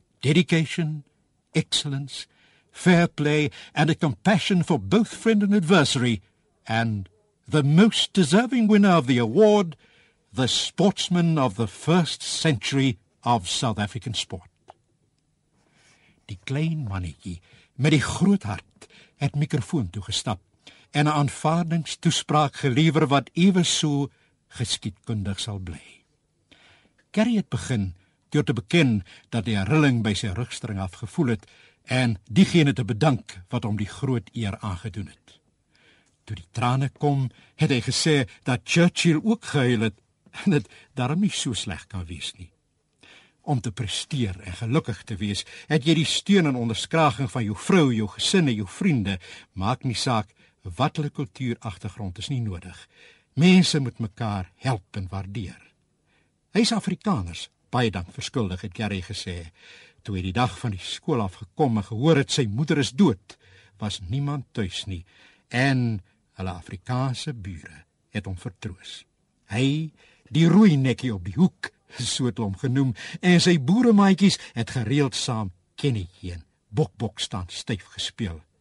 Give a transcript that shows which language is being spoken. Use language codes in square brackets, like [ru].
[en] Dedication, excellence, fair play and a compassion for both friend and adversary, and the most deserving winner of the award, the sportsman of the first century of South African sport. [af] Die klein mannetjie met die groot hart het mikrofoon toegestap en 'n aanvaardingstoespraak gelewer wat ewe so geskiedkundig sal bly. Gary het begin deur te beken dat hy 'n rilling by sy rugstring af gevoel het en diegene te bedank wat om die groot eer aangedoen het. Toe die trane kom, het hy gesê dat Churchill ook gehuil het, en het daarom nie so sleg kan wees nie. Om te presteer en gelukkig te wees, het jy die steun en onderskraging van jou vrou, jou gesin en jou vriende, maak nie saak wat hulle kultuuragtergrond is nie nodig. Mense moet mekaar help en waardeer. Hy is Afrikaners, baie dank verskuldig, het Gary gesê. Toe hy die dag van die skool afgekom en gehoor het sy moeder is dood, was niemand thuis nie, en hulle Afrikaanse bure het hom vertroos. Hy, die rooinekkie op die hoek, so het hom genoem, en sy boeremaaikies het gereeld saam kennetjie en bok-bok staan stuif gespeel.